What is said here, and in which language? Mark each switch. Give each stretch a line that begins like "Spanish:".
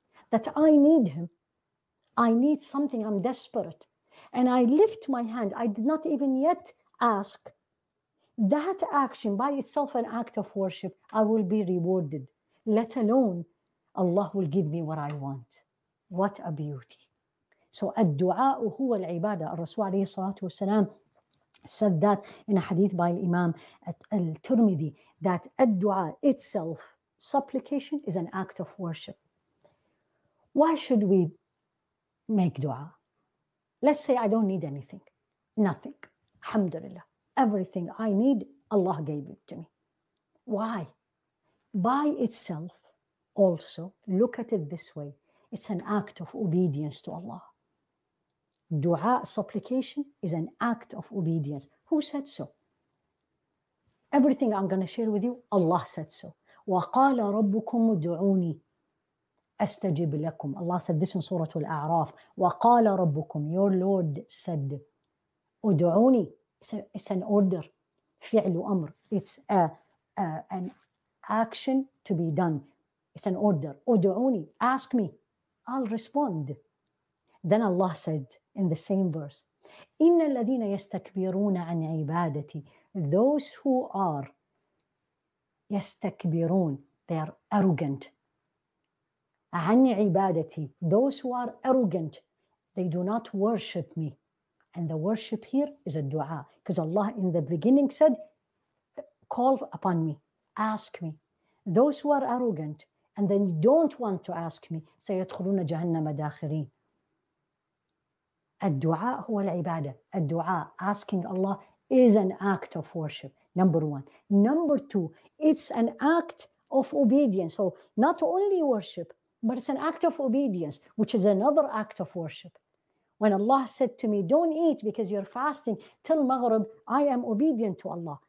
English: That I need Him. I need something. I'm desperate. And I lift my hand. I did not even yet ask. That action by itself, an act of worship, I will be rewarded. Let alone, Allah will give me what I want. What a beauty.
Arabic: So, الدعاء هو العبادة. الرسول عليه الصلاة والسلام
English: said that in a hadith by Imam Al-Tirmidhi, that الدعاء itself, supplication, is an act of worship. Why should we make dua? Let's say I don't need anything, nothing. Alhamdulillah, everything I need, Allah gave it to me. Why? By itself, also, look at it this way. It's an act of obedience to Allah. Dua, supplication, is an act of obedience. Who said so? Everything I'm going to share with you, Allah said so.
Arabic: وَقَالَ رَبُّكُمُ دُعُونِي أستجب لكم.
English: Allah said this in Surah Al-A'raf.
Arabic: وَقَالَ رَبُّكُمْ,
English: your Lord said, أُدْعُونِي. It's an order.
Arabic: فِعْلُ أَمْر.
English: It's an action to be done. It's an order. أُدْعُونِي. Ask me. I'll respond. Then Allah said in the same verse,
Arabic: إِنَّ الَّذِينَ يَسْتَكْبِرُونَ عَنْ عِبَادَتِي.
English: Those who are يَسْتَكْبِرُونَ, they are arrogant.
Arabic: عن عبادتي,
English: those who are arrogant, they do not worship me. And the worship here is a dua. Because Allah in the beginning said, call upon me, ask me. Those who are arrogant and then don't want to ask me,
Arabic: سيدخلون جهنم داخرين. الدعاء هو العبادة. الدعاء,
English: asking Allah, is an act of worship, number one. Number two, it's an act of obedience. So not only worship, but it's an act of obedience, which is another act of worship. When Allah said to me, don't eat because you're fasting till Maghrib, I am obedient to Allah.